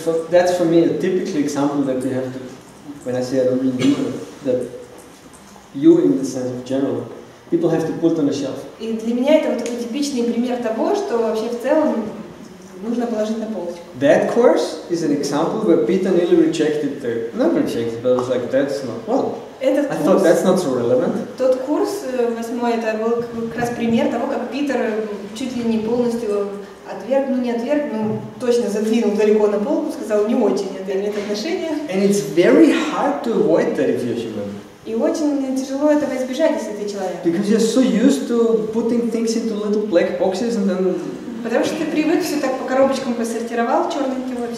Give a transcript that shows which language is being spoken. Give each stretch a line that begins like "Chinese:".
English: That's for me a typical example that we have to, when I say I don't really know, that you in the sense of general, people have to put on a shelf.
Russian: И для меня это вот такой типичный пример того, что вообще в целом нужно положить на полочку.
English: That course is an example where Peter nearly rejected the, not rejected, but was like, that's not, well,
Russian: этот
English: I thought that's not so relevant.
Russian: Тот курс, восьмой, это был как раз пример того, как Питер чуть ли не полностью отверг, ну не отверг, но точно задвинул далеко на полку, сказал, не очень, это имеет отношение.
English: And it's very hard to avoid that if you're human.
Russian: И очень тяжело этого избежать, если ты человек.
English: Because you're so used to putting things into little black boxes and then...
Russian: Потому что ты привык, все так по коробочкам посортировал, черненький вот.